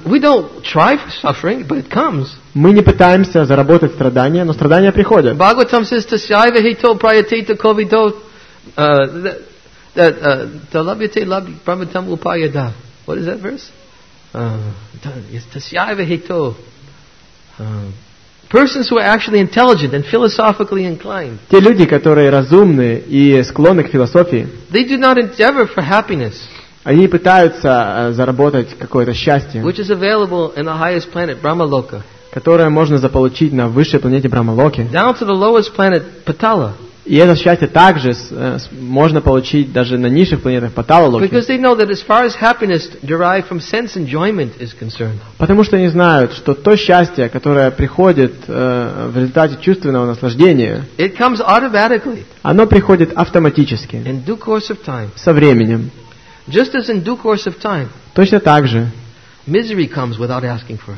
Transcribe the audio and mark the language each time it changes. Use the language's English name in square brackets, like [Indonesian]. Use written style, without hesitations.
[English] We don't try for suffering, but it comes. [Russian] Мы не пытаемся заработать страдания, но страдания приходят. [English] Bhagavatam says to Saiva, he told [Sanskrit] Prayatita Kovido [English] that [Sanskrit] Talabhyate Labhi Brahmatam Upayada. [English] What is that verse? Yes, to Saiva, he told Persons who are actually intelligent and philosophically inclined. [Russian] Те люди, которые разумны и склонны к философии. [English] They do not endeavor for happiness. [Russian] Они пытаются заработать какое-то счастье. [English] Which is available in the highest planet, Brahmaloka. [Russian] Которое можно заполучить на высшей планете Брахмалоке. [English] Down to the lowest planet, Patala. [Russian] И это счастье также можно получить даже на низших планетах Паталалоки. [English] Because they know that as far as happiness derived from sense enjoyment is concerned. [Russian] Потому что они знают, что то счастье, которое приходит в результате чувственного наслаждения, [English] it comes automatically. [Russian] Оно приходит автоматически. [English] In due course of time. [Russian] Со временем. [English] Just as in due course of time. [Russian] Точно так же. [English] Misery comes without asking for it.